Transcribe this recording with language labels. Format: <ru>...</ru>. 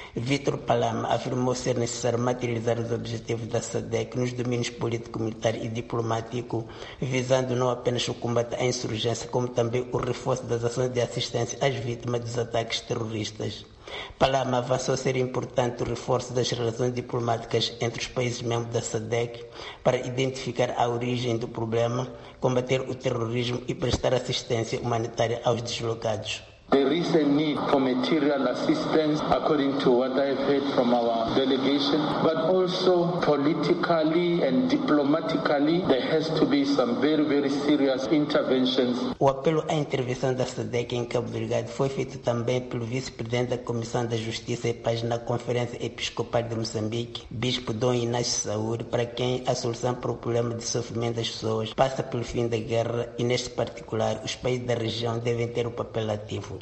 <pt>Vítor Palama afirmou ser necessário materializar os objetivos da SADC nos domínios político, militar e diplomático, visando não apenas o combate à insurgência, como também o reforço das ações de assistência às vítimas dos ataques terroristas. Palama avançou ser importante o reforço das relações diplomáticas entre os países membros da SADC para identificar a origem do problema, combater o terrorismo e prestar assistência humanitária aos deslocados.</pt> <en>There is a need for material assistance, according to what I've heard from our delegation, but also politically and diplomatically, there has to be some very, very serious interventions.</en> <pt>O apelo à intervenção da SADC em Cabo Delgado foi feito também pelo vice-presidente da Comissão da Justiça e Paz na Conferência Episcopal de Moçambique, Bispo Dom Inácio Saúde, para quem a solução para o problema de sofrimento das pessoas passa pelo fim da guerra e, neste particular, os países da região devem ter um papel ativo.</pt>